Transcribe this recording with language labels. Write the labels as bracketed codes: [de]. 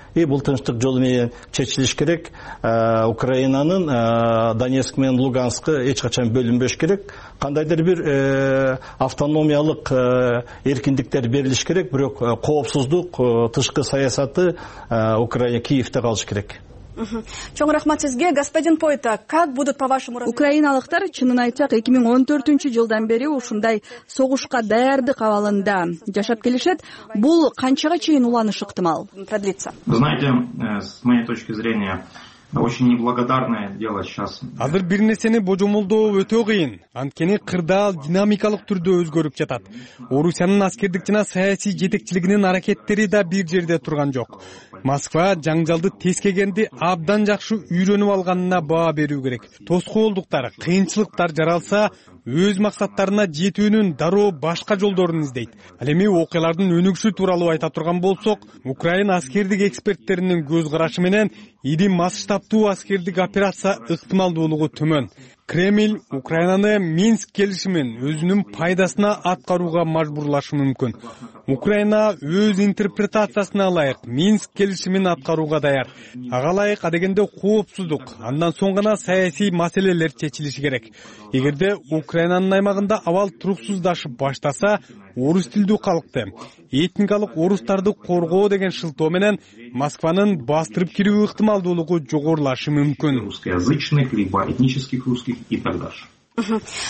[ky] И бул тынчтык жолу менен чечилиш керек. Украинанын Донецк менен Луганскы эч качан бөлүнбөш керек. Кандайдыр бир автономиялык эркиндиктер берилиш керек, бирок коопсуздук тышкы саясаты Украина Киевде калыш керек. Чоң рахмат сизге, [ru] господин Пойта, как будут по вашему разумению? [ky] Украиналыктар, чынын айтсак, 2014 жылдан бери ушундай согушка даярдык абалында жашап келишет. Бул канчага чейин уланышы ыктымал? [ru] Продлится. Вы знаете, с моей точки зрения, очень неблагодарное дело сейчас. [ky] Азыр бир нерсени божомолдоо өтө кыйын. Анткени кырдаал динамикалык түрдө өзгөрүп жатат. Орусиянын аскердик жана саясий жетекчилигинин аракеттери да бир жерде турган жок. Москва жаңжалды тескегенди абдан жакшы үйрөнүп алганына баа берүү керек. Тоскоолдуктар, кыйынчылыктар жаралса, өз максаттарына жетүүнүн дароо башка жолдорун издейт. Ал эми окуялардын өнүгүшү тууралуу айта турган болсок, Украина аскердик эксперттеринин көз карашы менен ири масштабтуу аскердик операция ыктымалдуулугу төмөн. Кремль Украинаны Минск келишимин өзүнүн пайдасына аткарууга мажбурлашы мүмкүн. Украина өз интерпретациясына ылайык Минск келишимин аткарууга даяр. Ага ылайык адегенде коопсуздук, андан соң гана саясий маселелер чечилиши керек. Эгерде Украинанын аймагында абал туруксуздашып баштаса, орус тилдүү калкты, этникалык орустарды коргоо деген шылтоо менен Москванын бастырып кирүү ыктымалдуулугу жогорулашы мүмкүн. [ru] Русскоязычных либо этнических русских и так далее.